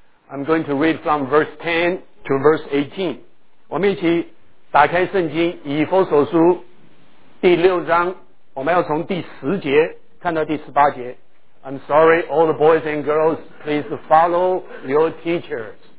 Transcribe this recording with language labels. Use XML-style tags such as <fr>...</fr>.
<en>I'm going to read from verse 10 to verse 18.</en> <zh>我们一起打开圣经以弗所书第六章，我们要从第十节看到第十八节。</zh> <en>I'm sorry, all the boys and girls, please follow your teachers.</en>